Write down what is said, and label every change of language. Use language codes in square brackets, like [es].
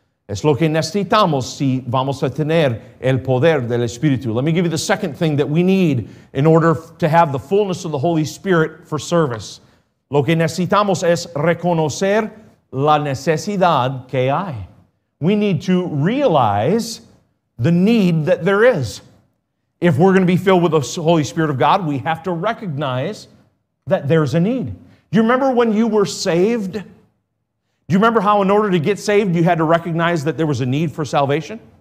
[es] Es lo que necesitamos si vamos a tener el poder del Espíritu. [en] Let me give you the second thing that we need in order to have the fullness of the Holy Spirit for service. [es] Lo que necesitamos es reconocer la necesidad que hay. [en] We need to realize the need that there is. If we're going to be filled with the Holy Spirit of God, we have to recognize that there's a need. Do you remember when you were saved? Do you remember how in order to get saved, you had to recognize that there was a need for salvation?